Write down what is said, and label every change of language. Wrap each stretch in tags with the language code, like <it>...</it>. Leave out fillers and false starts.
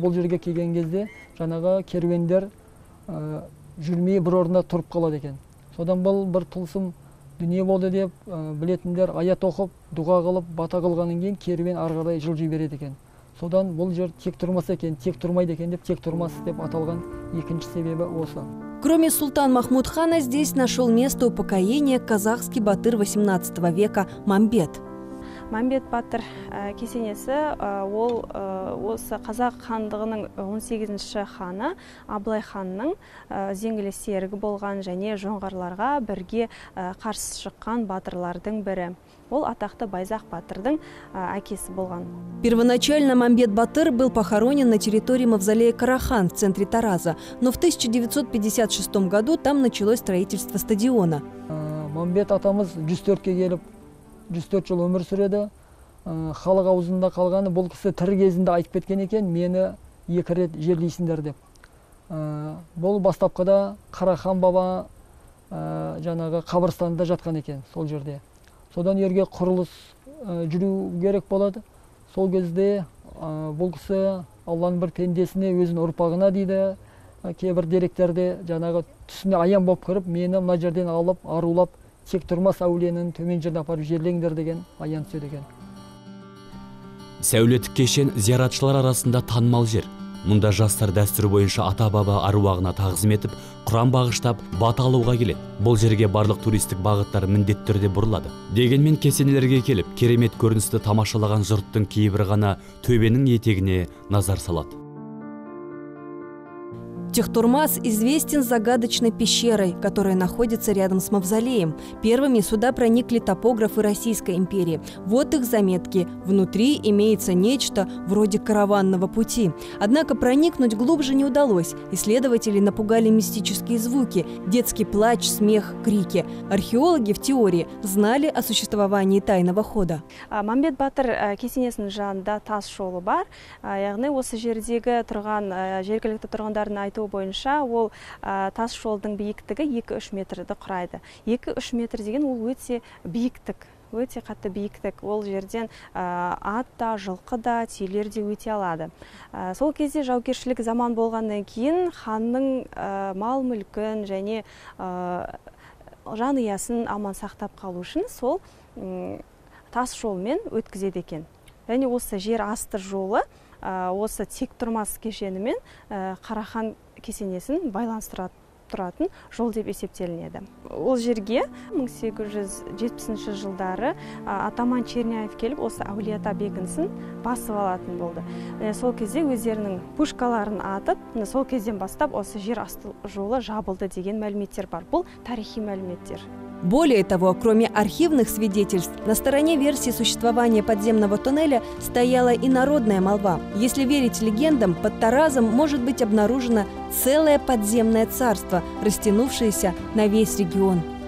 <kk>Бұл жерге келген кезде жаңағы керуендер жүрмей бір орында тұрып қалады екен. Содан бұл бір тылсым дүние болды деп білетіндер аят оқып, дұға қылып, бата қылғаннан кейін керуен ары қарай жылжи береді екен. Содан бұл жер Тектұрмас екен, Тектұрмайды екен деп Тектұрмас деп аталған екінші себебі осы.</kk> <ru>Кроме Султан Махмуд хана здесь нашел место упокоения казахский батыр 18 века Мамбет.</ru> <kk>Мамбет батыр кесенесі ол осы қазақ хандығының 18-ші ханы Абылай ханның зеңгілі серігі болған және жоңғарларға бірге қарсы шыққан батырлардың бірі. Ол атақты Байзақ батырдың әкесі болған.</kk> <ru>Первоначально Мамбет батыр был похоронен на территории мавзолея Карахан в центре Тараза, но в 1956 году там началось строительство стадиона.</ru> <kk>Мамбет атамыз 104-ке келіп 104 жыл өмір сүреді. Халық аузында қалғаны, бұл кісі тірі кезінде айтып кеткен екен, мені екі рет жерлейсіңдер деп. Бұл бастапқыда Қарахан баба жаңағы қабырстанында жатқан екен сол жерде. Содан ерге құрылыс жүру керек болады. Сол кезде бұл кісі Алланың бір пендесіне өзінің ұрпағына дейді. Кейбір деректерде жаңағы түсіне аян болып кіріп, мені мына жерден алып, арулап Тектұрмас әулиенің төмен жерін апарып жерлеңдер деген аян сөйлеген. Сәулеттік кешен зияратшылар арасында танымал жер. Мұнда жастар дәстүрі бойынша ата-баба аруағына тағзым етіп, Құран бағыштап, бата алуға келеді. Бұл жерге барлық туристік бағыттар міндетті түрде бұрылады. Дегенмен кесенелерге келіп, керемет көріністі тамашалаған жұрттың кейбірі ғана төбенің етегіне назар салады.</kk> <ru>Тектұрмас известен загадочной пещерой, которая находится рядом с мавзолеем. Первыми сюда проникли топографы Российской империи. Вот их заметки. Внутри имеется нечто вроде караванного пути. Однако проникнуть глубже не удалось. Исследователи напугали мистические звуки. Детский плач, смех, крики. Археологи в теории знали о существовании тайного хода.</ru> <kk>Мамбет батыр кесенесінің жанында тас жолы бар. Яғни осы жердегі тұрған жергілікті тұрғындардың айтуы бойынша ол тас жолдың биіктігі 2-3 метрді құрайды. 2-3 метр деген ол өте биіктік, өте қатты биіктік. Ол жерден ат та, жылқы да, түйелер де өте алады. Сол кезде жаугершілік заман болғаннан кейін ханның мал-мүлкін және жанұясын аман сақтап қалу үшін сол тас жолмен өткізеді екен. Және осы жер асты жолы осы Тектұрмас кешенімен Қарахан кесенесін байланыстырады. Тұратын жол деп есептелінеді. Ол жерге 1870 жылдары атаман Черняев келіп осы Әулиеата бекінісін басып алатын болды. Сол кезде өздерінің пушкаларын атып, сол кезден бастап осы жер асты жолы жабылды деген мәліметтер бар. Бұл тарихи мәліметтер.</kk> <ru>Более того, кроме архивных свидетельств, на стороне версии существования подземного туннеля стояла и народная молва. Если верить легендам, под Таразом может быть обнаружено целое подземное царство, растянувшееся на весь регион.</ru>